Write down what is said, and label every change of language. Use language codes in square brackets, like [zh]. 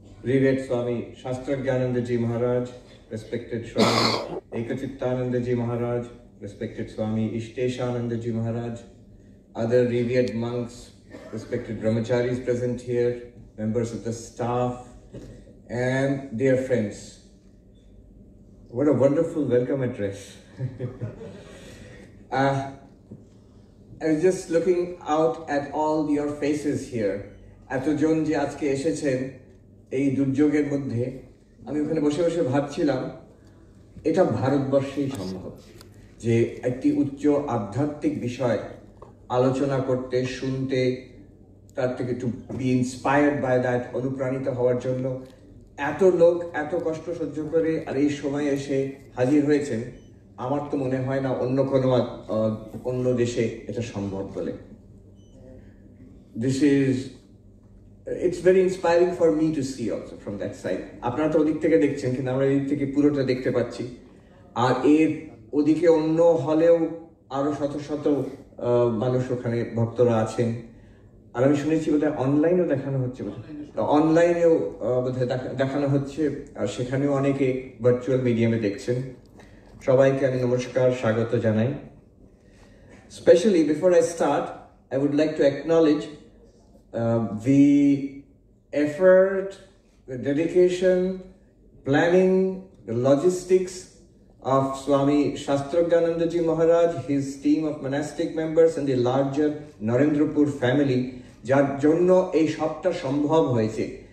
[en] Revered Swami Shastrajnananda ji Maharaj, respected Swami Ekachittananda ji Maharaj, respected Swami Ishteshananda ji Maharaj, other revered monks, respected brahmacharis present here, members of the staff and dear friends, what a wonderful welcome address. I just looking out at all your faces here, [bn] এতজন যে আজকে এসেছেন এই দুর্যোগের মধ্যে. আমি ওখানে বসে বসে ভাবছিলাম এটা ভারতবর্ষেই সম্ভব যে একটি উচ্চ আধ্যাত্মিক বিষয় আলোচনা করতে, শুনতে, তার থেকে [en] to be inspired by that, [bn] অনুপ্রাণিত হওয়ার জন্য এত লোক এত কষ্ট সহ্য করে আর এই সময়ে এসে হাজির হয়েছেন. আমার তো মনে হয় না অন্য কোনো অন্য দেশে এটা সম্ভব বলে. [en] This is It's very inspiring for me to see also from that side. [bn] আপনারা তো ওদিক থেকে দেখছেন, কিন্তু আমরা এদিক থেকে পুরোটা দেখতে পাচ্ছি. আর এর ওদিকে অন্য হলেও আরো শত শত মানুষ ওখানে, ভক্তরা আছেন. আর আমি শুনেছি বোধহয় অনলাইনেও দেখানো হচ্ছে, অনলাইনেও বোধহয় দেখানো হচ্ছে, আর সেখানেও অনেকে ভার্চুয়াল মিডিয়ামে দেখছেন. সবাইকে আমি নমস্কার, স্বাগত জানাই. [en] specially before I start, I would like to acknowledge the effort, the dedication, planning, the logistics of Swami Shastrajnananda Ji Maharaj, his team of monastic members and the larger Narendrapur family, [bn] jar jonno ei shobta sombhob hoyeche.